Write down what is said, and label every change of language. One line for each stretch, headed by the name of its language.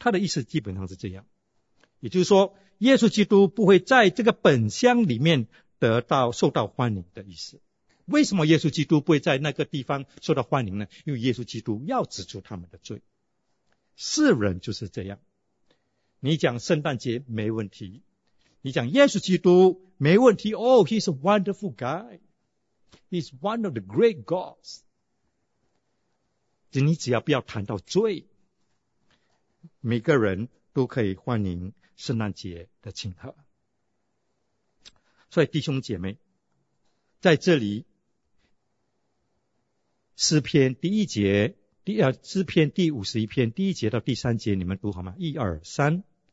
Chinese: 他的意思基本上是这样，也就是说耶稣基督不会在这个本乡里面得到受到欢迎的意思。为什么耶稣基督不会在那个地方受到欢迎呢？因为耶稣基督要指出他们的罪。世人就是这样，你讲圣诞节没问题，你讲耶稣基督没问题。
English: Oh, he's a wonderful guyHe's one of the great gods.
Chinese: 你只要不要谈到罪，每个人都可以欢迎圣诞节的庆贺。所以弟兄姐妹，在这里诗篇第一节，诗篇第五十一篇第一节到第三节，你们读好吗？一二三。